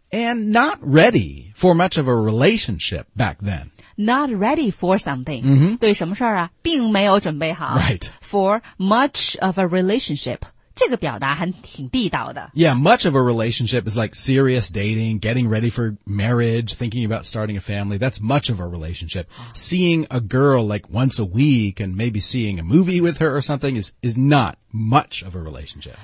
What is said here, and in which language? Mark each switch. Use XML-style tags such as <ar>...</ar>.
<en>，and not ready for much of a relationship back then，not ready for something，、 mm-hmm.</en> <zh>对什么事儿啊并没有准备好</zh> <en>，right， for much of a relationship，</en> <zh>这个表达还挺地道的</zh> <en>，yeah， much of a relationship is like serious dating， getting ready for marriage， thinking about starting a family， that's much of a relationship， seeing a girl like once a week and maybe seeing a movie with her or something is not much of a relationship。</en>